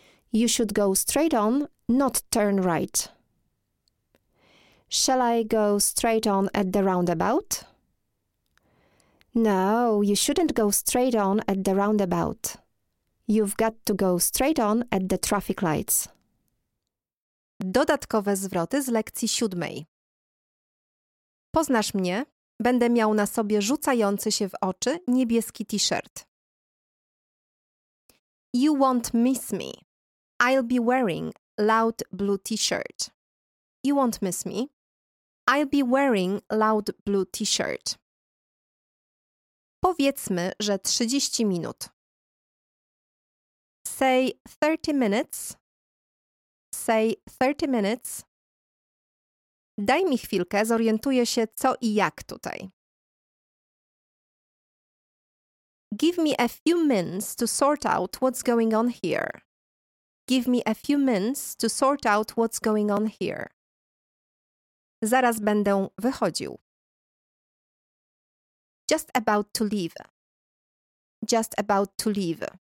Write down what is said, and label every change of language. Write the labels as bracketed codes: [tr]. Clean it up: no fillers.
[en] You should go straight on, not turn right. Shall I go straight on at the roundabout? No, you shouldn't go straight on at the roundabout. You've got to go straight on at the traffic lights. [pl] Dodatkowe zwroty z lekcji siódmej. Poznasz mnie? Będę miał na sobie rzucający się w oczy niebieski t-shirt. [en] You won't miss me. I'll be wearing loud blue t-shirt. You won't miss me. I'll be wearing loud blue t-shirt. [pl] Powiedzmy, że 30 minut. [en] Say 30 minutes. Say 30 minutes. [pl] Daj mi chwilkę, zorientuję się, co i jak tutaj. [en] Give me a few minutes to sort out what's going on here. Give me a few minutes to sort out what's going on here. [pl] Zaraz będę wychodził. [en] Just about to leave. Just about to leave.